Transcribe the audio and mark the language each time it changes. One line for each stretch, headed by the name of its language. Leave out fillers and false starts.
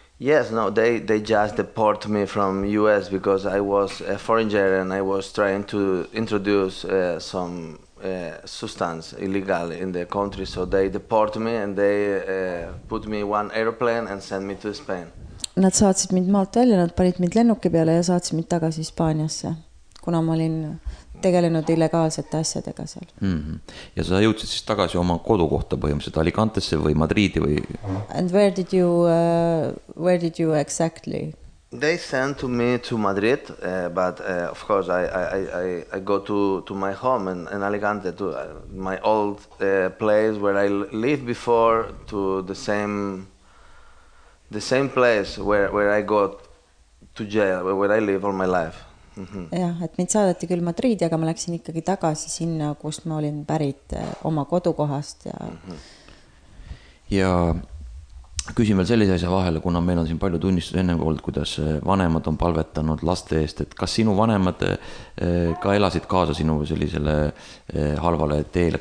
English: Yes, no, they just deport me from US because I was a foreigner and I was trying to introduce some substance illegal in the country. So they deport me and they put me one airplane and send me to Spain.
Estonian: Nad saatsid mind maalt välja, nad panid mind lennuki peale ja saatsid mind tagasi Hispaaniasse, kuna ma olin tegelenud illegaalsete asjadega seal. Ja sa jõudsid siis tagasi oma kodukohta põhimõtteliselt Alicantesse või Madridi või...
English: And where did you exactly? They sent me to Madrid, but of course I go to my home in Alicante, to my old place where I lived before, to the same place where I got to jail, where I live all my life.
Estonian: Ja, et mind saadati küll Madridi, aga ma läksin ikkagi tagasi sinna, kus ma olin pärit oma kodukohast. Ja küsin veel sellise asja vahele, kuna meil on siin palju tunnistus enne olnud, kuidas vanemad on palvetanud laste eest. Et kas sinu vanemad ka elasid kaasa sinu sellisele halvale teele?